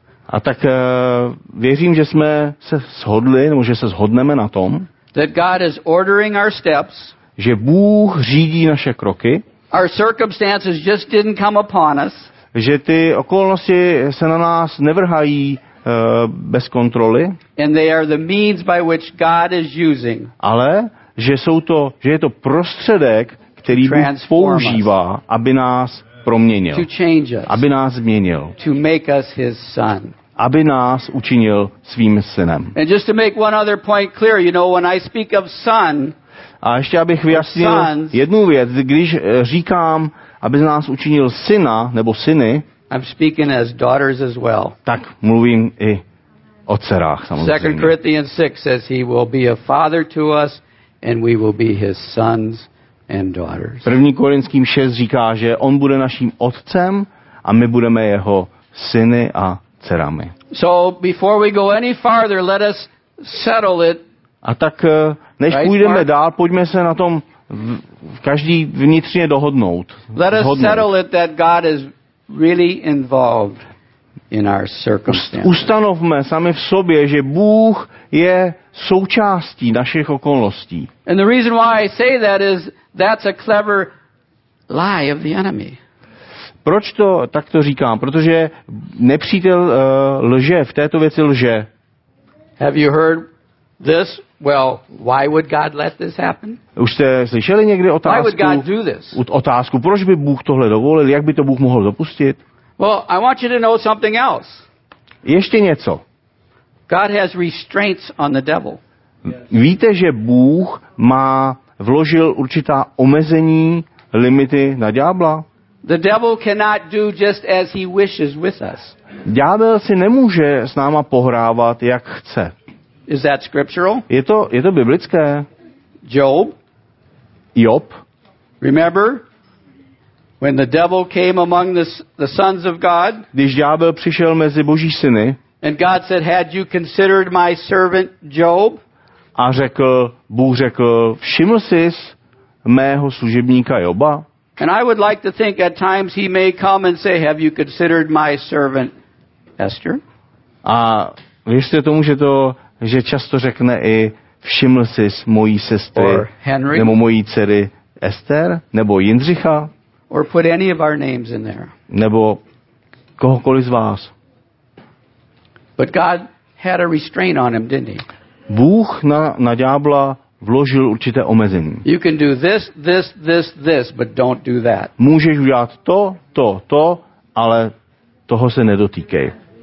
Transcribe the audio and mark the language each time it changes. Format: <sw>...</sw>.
<cs>a tak věřím, že jsme se shodli, nebo že se shodneme na tom,</cs> <en>that God is ordering our steps,</en> <cs>že Bůh řídí naše kroky,</cs> <en>our circumstances just didn't come upon us,</en> <cs>že ty okolnosti se na nás nevrhají bez kontroly,</cs> <en>and they are the means by which God is using,</en> <cs>ale že je to prostředek, který Bůh používá, aby nás proměnil,</cs> <en>to change us,</en> <cs>aby nás změnil,</cs> <en>to make us his son,</en> <cs>aby nás učinil svým synem.</cs> <en>And just to make one other point clear, you know, when I speak of son,</en> <cs>a ještě abych vyjasnil sons, jednu věc, když říkám, aby nás učinil syna nebo syny,</cs> <en>I'm speaking as daughters as well.</en> <cs>Tak mluvím i o dcerách samozřejmě.</cs> <en>2 Corinthians 6 says he will be a father to us and we will be his sons and daughters.</en> <cs>1. Korinským 6 říká, že on bude naším otcem a my budeme jeho syny a dcerami.</cs> <en>So before we go any farther, let us settle it.</en> <cs>A tak než půjdeme dál, pojďme se na tom každý vnitřně dohodnout.</cs> <en>Let us settle it that God is really involved in our circumstances.</en> <cs>Ustanovme sami v sobě, že Bůh je součástí našich okolností.</cs> <en>And the reason why I say that is that's a clever lie of the enemy.</en> <cs>Proč to takto říkám? Protože nepřítel lže, v této věci lže.</cs> <en>Have you heard this? Well, why would God let this happen?</en> <cs>Už jste slyšeli někdy otázku?</cs> <en>Why would God do this?</en> <cs>Otázku, proč by Bůh tohle dovolil? Jak by to Bůh mohl dopustit?</cs> <en>Well, I want you to know something else.</en> <cs>Ještě něco.</cs> <en>God has restraints on the devil.</en> <cs>Víte, že Bůh má vložil určitá omezení, limity na ďábla?</cs> <en>The devil cannot do just as he wishes with us.</en> <cs>Ďábel si nemůže s náma pohrávat, jak chce.</cs> <en>Is that scriptural?</en> <cs>Je to biblické.</cs> <en>Job. Remember when the devil came among the sons of God?</en> <cs>Když ďábel přišel mezi Boží syny.</cs> <en>And God said, "Had you considered my servant Job?"</en> <cs>A řekl, Bůh řekl, všiml jsi mého služebníka Joba?</cs> <en>And I would like to think at times he may come and say, "Have you considered my servant Esther?"</en> <cs>A věřte tomu, že to, že často řekne i všiml sis mojí sestry</cs> <en>Henry,</en> <cs>nebo mojí dcery Ester nebo Jindřicha.</cs> <en>Or put any of our names in there.</en> <cs>Nebo kohokoliv z vás.</cs> <en>But God had a restraint on him, didn't he?</en> <cs>Bůh na ďábla vložil určité omezení.</cs> <en>You can do this, this, this, this, but don't do that.</en> <cs>Můžeš udělat to, to, to, ale toho se nedotýkej.</cs>